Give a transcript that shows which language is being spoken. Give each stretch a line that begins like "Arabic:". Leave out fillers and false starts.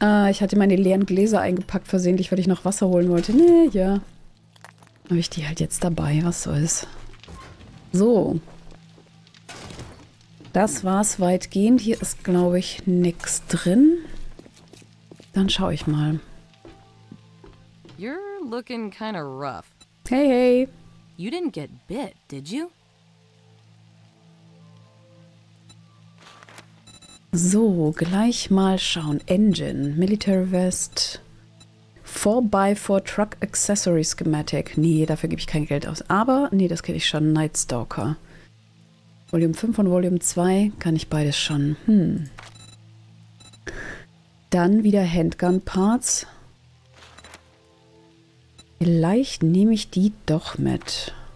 German: Ich hatte meine leeren Gläser eingepackt versehentlich, weil ich noch Wasser holen wollte. Nee, ja. Habe ich die halt jetzt dabei, was soll's. So. Das war's weitgehend. Hier ist, glaube ich, nichts drin. Dann schaue ich mal.
English: You're looking kind of rough. Hey, hey. You didn't get bit, did you?
German: So, gleich mal schauen.
English: Engine, Military Vest, 4x4 Truck Accessory Schematic.
German: Nee, dafür gebe ich kein Geld aus. Aber, nee, das kenne ich schon. Night Stalker. Volume 5 und Volume 2 kann ich beides schon. Hm. Dann wieder Handgun Parts. Vielleicht nehme ich die doch mit.